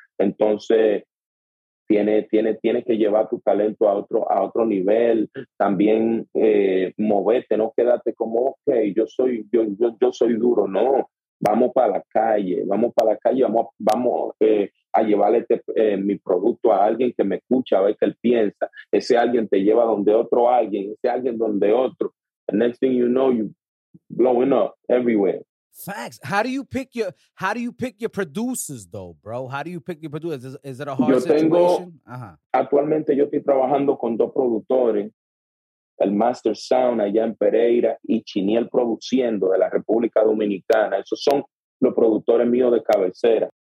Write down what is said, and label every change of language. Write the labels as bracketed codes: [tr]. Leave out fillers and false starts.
[es] Entonces, tienes que llevar tu talento a otro nivel, también moverte, no quedarte como, ok, yo soy duro, no. vamos para la calle, vamos para la calle, vamos a llevarle mi producto a alguien que me escucha, a ver qué él piensa. Ese alguien te lleva donde otro alguien, ese alguien donde otro. [en] And next thing you know, you're blowing up everywhere. Facts. How do you pick your producers though, bro? How do you pick your producers? Is it a hard situation? [es] Actualmente yo estoy trabajando con dos productores, el Master Sound allá en Pereira y Chiniel produciendo de la República Dominicana. Esos son los productores míos de cabecera.